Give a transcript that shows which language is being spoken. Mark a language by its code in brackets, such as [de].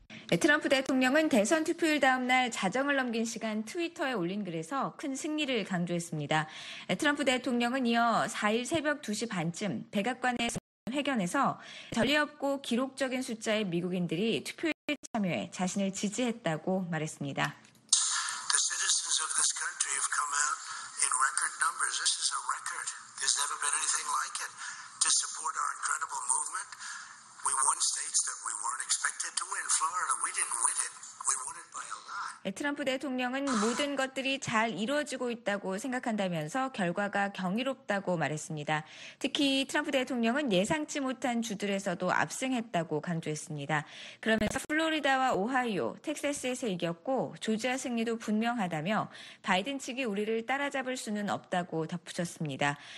[ko] 네, 트럼프 대통령은 대선 투표일 다음 날 자정을 넘긴 시간 트위터에 올린 글에서 큰 승리를 강조했습니다. 네, 트럼프 대통령은 이어 4일 새벽 2시 반쯤 백악관의 회견에서 전례없고 기록적인 숫자의 미국인들이 투표에 참여해 자신을 지지했다고 말했습니다. [en] The citizens of this country have come out in record numbers. This is a record. There's never been anything like it to support our incredible movement. We won states that we weren't expected to win. Florida, we didn't win it. We won it by a lot. [ko] 트럼프 대통령은 모든 것들이 잘 이루어지고 있다고 생각한다면서 결과가 경이롭다고 말했습니다. 특히 트럼프 대통령은 예상치 못한 주들에서도 압승했다고 강조했습니다. 그러면서 플로리다와 오하이오, 텍사스에서 이겼고 조지아 승리도 분명하다며 바이든 측이 우리를 따라잡을 수는 없다고 덧붙였습니다.